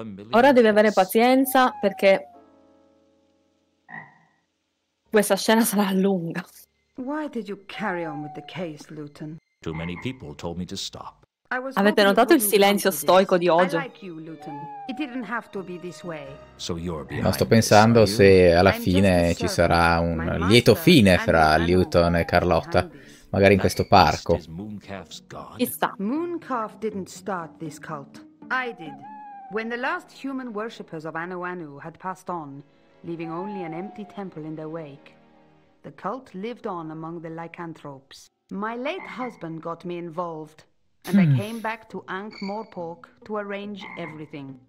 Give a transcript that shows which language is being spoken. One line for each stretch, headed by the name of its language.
Italian: Ora devi avere pazienza perché questa scena sarà lunga.
English: Why did you carry on with the case, Luton? Too many people told me to stop.
Italian: Avete notato il silenzio stoico di Ojo? Ma sto pensando se alla fine ci sarà un lieto fine fra Luton e Carlotta, magari in questo parco. Chissà.
English: Mooncalf didn't start this cult. I did. When the last human worshippers of Anu Anu had passed on, leaving only an empty temple in their wake. The cult lived on among the lycanthropes. My late husband got me involved, and I came back to Ankh-Morpork to arrange everything.